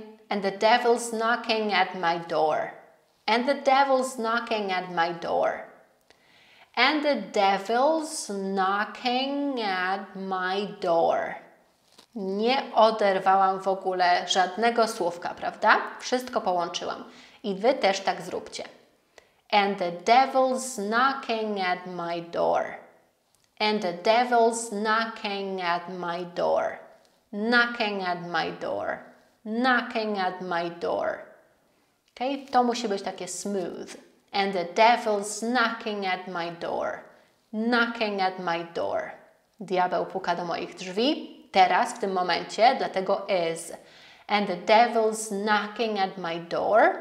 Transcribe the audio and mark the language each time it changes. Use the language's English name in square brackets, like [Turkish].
[English] And the devil's knocking at my door. And the devil's knocking at my door. And the devil's knocking at my door. [Polish] Nie oderwałam w ogóle żadnego słówka, prawda? Wszystko połączyłam. I wy też tak zróbcie. [English] And the devil's knocking at my door. And the devil's knocking at my door. Knocking at my door. Knocking at my door. Okay? [Polish] To musi być takie smooth. [English] And the devil's knocking at my door. Knocking at my door. [Polish] Diabeł puka do moich drzwi. Teraz, w tym momencie, dlatego is. [English] And the devil's knocking at my door.